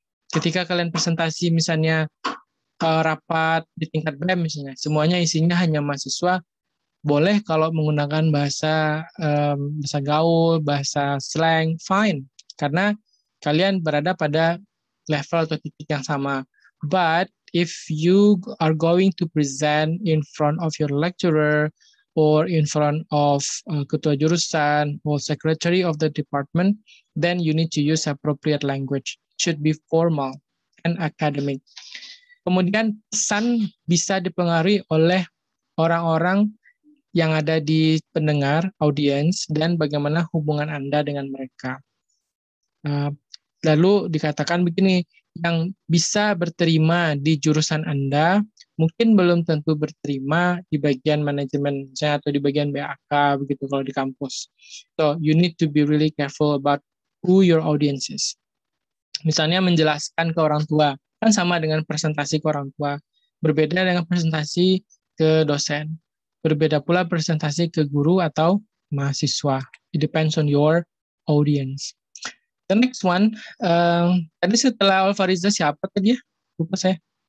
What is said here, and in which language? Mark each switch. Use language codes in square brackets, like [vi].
[id] Ketika kalian presentasi misalnya rapat di tingkat BEM misalnya, semuanya isinya hanya mahasiswa, boleh kalau menggunakan bahasa bahasa gaul, bahasa slang, fine. Karena kalian berada pada level atau titik yang sama. [en] But if you are going to present in front of your lecturer or in front of [id] ketua jurusan [en] or secretary of the department, then you need to use appropriate language. It should be formal and academic. [id] Kemudian pesan bisa dipengaruhi oleh orang-orang yang ada di pendengar, audience, dan bagaimana hubungan Anda dengan mereka. Lalu dikatakan begini, yang bisa berterima di jurusan Anda, mungkin belum tentu berterima di bagian manajemen atau di bagian BAK, begitu kalau di kampus. [en] So, you need to be really careful about who your audience is. [id] Misalnya menjelaskan ke orang tua, kan sama dengan presentasi ke orang tua, berbeda dengan presentasi ke dosen, berbeda pula presentasi ke guru atau mahasiswa. [en] It depends on your audience. The next one, [id] tadi setelah Ulfarisa siapa tadi ya? Lupa saya.